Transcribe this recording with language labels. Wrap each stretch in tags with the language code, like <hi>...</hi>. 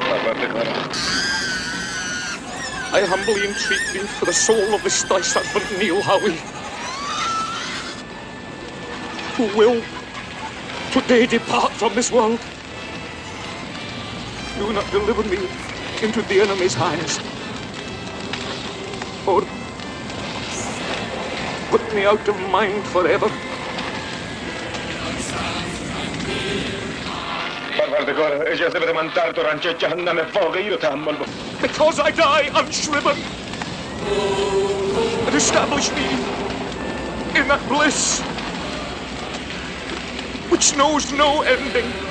<en>I humbly entreat thee for the soul of this thy servant, Neil Howie, who will today depart from this world. Do not deliver me into the enemy's hands, or put me out of mind forever.</en> <fa>پروردگار اجازه بده من درد و رنج جهنم واقعی رو تحمل بکنم.</fa> <en>Because I die unshriven and establish me in that bliss which knows no ending.</en>